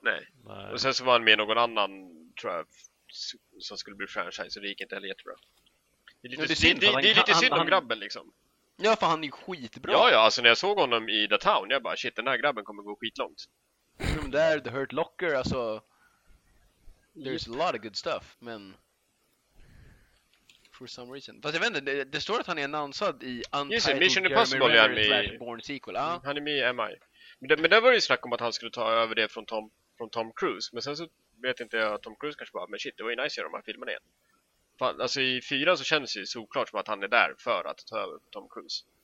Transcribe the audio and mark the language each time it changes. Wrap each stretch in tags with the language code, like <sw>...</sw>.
<sv>Nej. Och sen så var han med någon annan, tror jag, som skulle bli franchise, och det gick inte heller jättebra. Det är lite synd om grabben liksom. Ja, för han är ju skitbra. Ja, ja, alltså när jag såg honom i The Town, jag bara, shit, den här grabben kommer gå skitlångt.</sv> <en>From there, The Hurt Locker,</en> <sv>alltså...</sv> <en>There's a lot of good stuff,</en> <sv>men...</sv> <en>For some reason.</en> <sv>Fast jag vet inte, det står att han är annonsad i Untitled</sv> <en>Mission Impossible, Jeremy Renner's Born sequel. Ah.</en> <sv>Han är med i MI. Men det var ju snack om att han skulle ta över det från Tom Cruise. Men sen så vet inte jag, Tom Cruise kanske bara, men shit, det var ju nice att göra de här filmerna igen. Alltså i 4 så känns det ju såklart som att han är där för att ta över Tom Cruise.</sv>